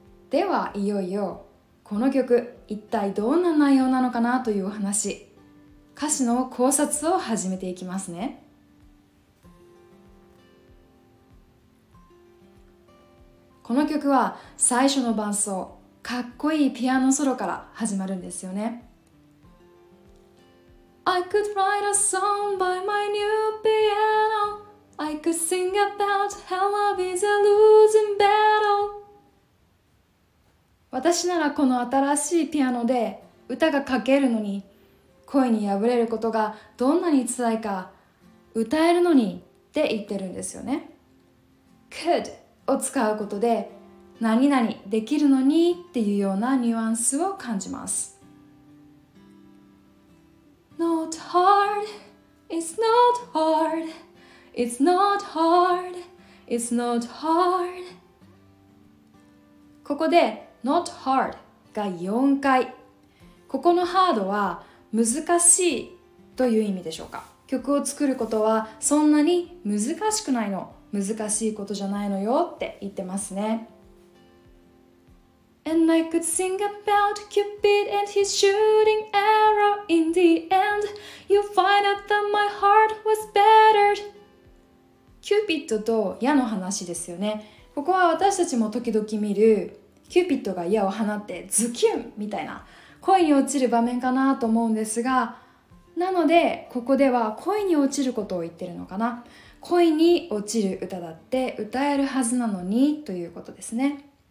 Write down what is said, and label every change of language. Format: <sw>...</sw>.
<ja>ではいよいよこの曲、一体どんな内容なのかなというお話、歌詞の考察を始めていきますね。この曲は最初の伴奏、かっこいいピアノソロから始まるんですよね。</ja> <en>I could write a song by my new piano. I could sing about how love is a losing battle.</en> <ja>私ならこの新しいピアノで歌が書けるのに、恋に破れることがどんなに辛いか、歌えるのにって言ってるんですよね。 Could を使うことで、何々できるのにっていうようなニュアンスを感じます。</ja> <en>Not hard, it's not hard, it's not hard, it's not hard。</en> <ja>ここで</ja> <en>not hard</en> <ja>が4回、ここのハードは難しいという意味でしょうか。曲を作ることはそんなに難しくないの、難しいことじゃないのよって言ってますね。</ja> <en>And I could sing about Cupid and his shooting arrow. In the end, you find out that my heart was battered.</en> <ja>キューピッドと矢の話ですよね。ここは私たちも時々見るキューピッドが矢を放ってズキュンみたいな恋に落ちる場面かなと思うんですが、なのでここでは恋に落ちることを言ってるのかな。恋に落ちる歌だって歌えるはずなのにということですね。</ja>